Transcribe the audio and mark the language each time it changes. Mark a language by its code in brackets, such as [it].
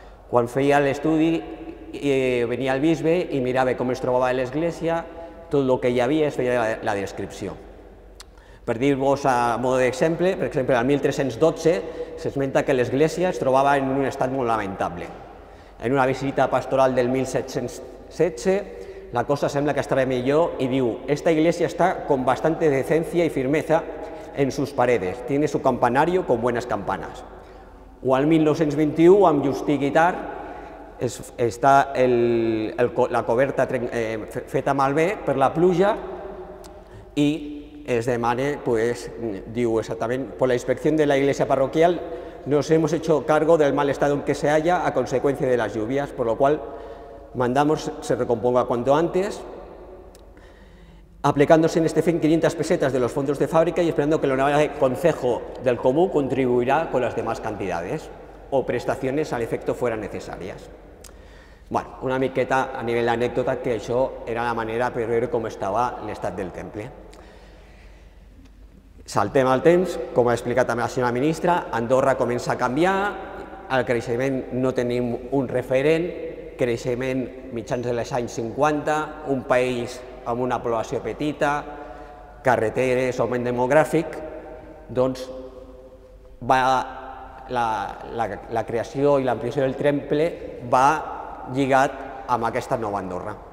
[ca] Quan feia l'estudi venia el bisbe i mirava com es trobava l'església, tot el que hi havia es feia la descripció. Per dir-vos a modo d'exemple, per exemple, el 1312 s'esmenta que l'església es trobava en un estat molt lamentable. En una visita pastoral del 1716 la cosa sembla que estava millor i diu: [es] "Esta iglesia está con bastante decencia y firmeza en sus paredes, tiene su campanario con buenas campanas". [ca] O al 1921, amb Justí Guitart, està la coberta feta malbé per la pluja i es demana, pues, diu exactament: [es] "Por la inspección de la iglesia parroquial nos hemos hecho cargo del mal estado en que se halla a consecuencia de las lluvias, por lo cual mandamos se recomponga cuanto antes, aplicándose en este fin 500 pesetas de los fondos de fábrica y esperando que el honorable Consejo del Comú contribuirá con las demás cantidades o prestaciones al efecto fueran necesarias". [ca] Bueno, una miqueta a nivell d'anècdota, que això era la manera per veure com estava l'estat del temple. Saltem al temps, com ha explicat també la senyora ministra, Andorra comença a canviar, al creixement no tenim un referent, creixement mitjans dels anys 50, un país amb una població petita, carreteres, augment demogràfic, doncs va la creació i l'ampliació del temple va lligat amb aquesta nova Andorra.